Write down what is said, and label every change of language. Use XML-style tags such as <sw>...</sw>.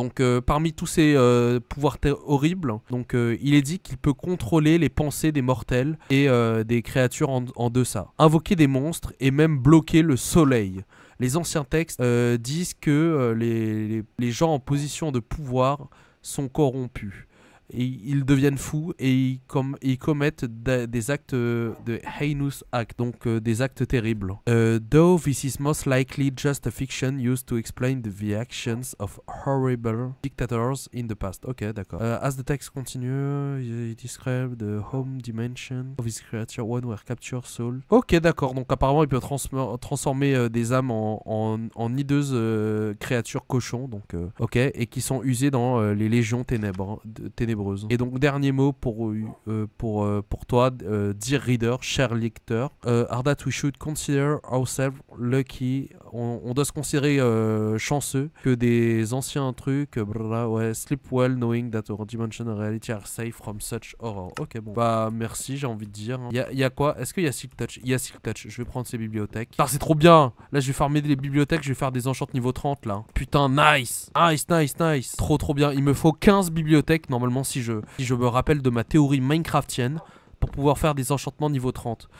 <fr>Donc parmi tous ces pouvoirs horribles, donc il est dit qu'il peut contrôler les pensées des mortels et des créatures en deçà, invoquer des monstres et même bloquer le soleil. Les anciens textes disent que les gens en position de pouvoir sont corrompus. Et ils deviennent fous et ils commettent des actes de</fr> <en>heinous act,</en> <fr>donc des actes terribles.</fr> <en>Though this is most likely just a fiction used to explain the actions of horrible dictators in the past.</en> <fr>Ok, d'accord.</fr> <en>As the text continues, it describes the home dimension of this creature when we capture soul. Ok, d'accord.</en> <fr>Donc apparemment, il peut transformer des âmes en hideuses créatures cochons, donc ok, et qui sont usées dans les légions ténèbres. Et donc, dernier mot pour toi,</fr> <en>dear reader,</en> <fr>cher lecteur.</fr> <en>Are that we should consider ourselves lucky.</en> <fr>On doit se considérer chanceux que des anciens trucs. Ouais,</fr> <en>sleep well knowing that our dimensional reality are safe from such horror.</en> <fr>Ok, bon. Bah, merci, j'ai envie de dire. Il y a quoi? Est-ce qu'il y a Silk Touch? Il y a Silk Touch. Je vais prendre ces bibliothèques. Ah, c'est trop bien. Là, je vais farmer des bibliothèques. Je vais faire des enchantes niveau 30 là. Putain, nice. Nice, nice, nice. Trop, trop bien. Il me faut 15 bibliothèques normalement. Si je me rappelle de ma théorie minecraftienne pour pouvoir faire des enchantements niveau 30.</fr>